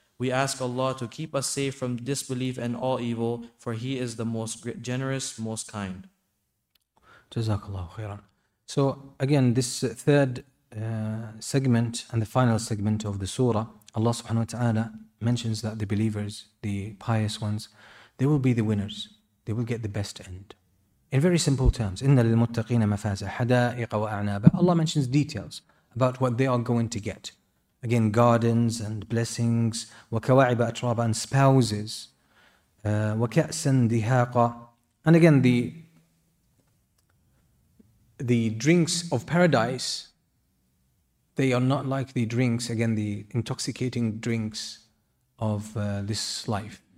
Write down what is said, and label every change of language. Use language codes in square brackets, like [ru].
[en] We ask Allah to keep us safe from disbelief and all evil, for He is the most generous, most kind. Jazakallahu khairan. So again, this third segment and the final segment of the surah, Allah subhanahu wa ta'ala mentions that the believers, the pious ones, they will be the winners. They will get the best end. In very simple terms, [ar] إِنَّ لِلْمُتَّقِينَ مَفَازَ حَدَائِقَ وَأَعْنَابَ. [en] Allah mentions details about what they are going to get. Again, gardens and blessings, [ar] وَكَوَاعِبَ أَتْرَابَ [en] and spouses, [ar] وَكَأْسًا دِهَاقَ. [en] And again, the the drinks of paradise, they are not like the drinks, again, the intoxicating drinks of this life.